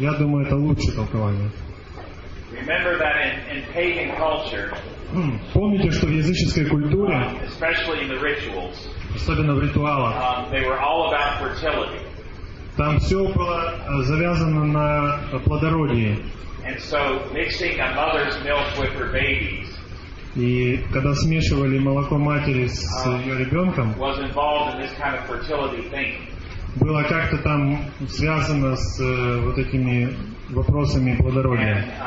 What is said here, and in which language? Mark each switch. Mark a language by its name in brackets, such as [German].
[Russian] Я думаю, это лучшее толкование. [English] Remember that in pagan culture, [Russian] помните, что в языческой культуре, [English] especially in the rituals, [Russian] особенно в ритуалах, [English] they were all about fertility. [Russian] Там все было завязано на плодородии. [English] And so mixing a mother's milk with her babies, [Russian] и когда смешивали молоко матери с ее ребенком, [English] was involved in this kind of fertility thing. [Russian] Было как-то там связано с вот этими вопросами плодородия.